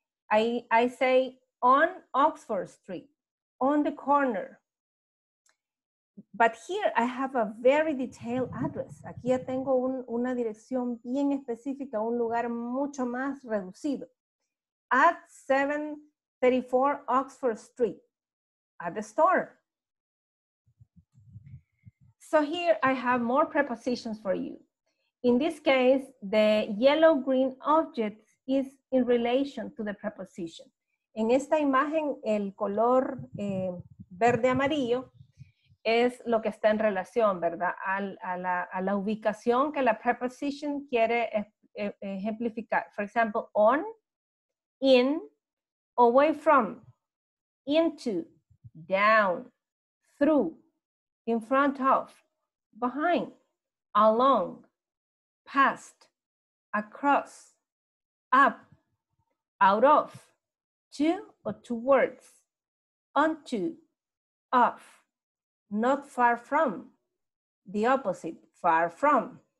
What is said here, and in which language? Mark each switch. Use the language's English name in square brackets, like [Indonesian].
[English] I say on Oxford Street, on the corner. But here I have a very detailed address. [Spanish] Aquí ya tengo una dirección bien específica, un lugar mucho más reducido. [English] At 734 Oxford Street, at the store. So here I have more prepositions for you. In this case, the yellow green object is in relation to the preposition. [Spanish] En esta imagen, el color verde amarillo es lo que está en relación, ¿verdad? A la ubicación que la preposition quiere ejemplificar. [English] For example, on, in, away from, into, down, through, in front of, behind, along, past, across, up, out of, to or towards, onto, off, not far from, the opposite, far from.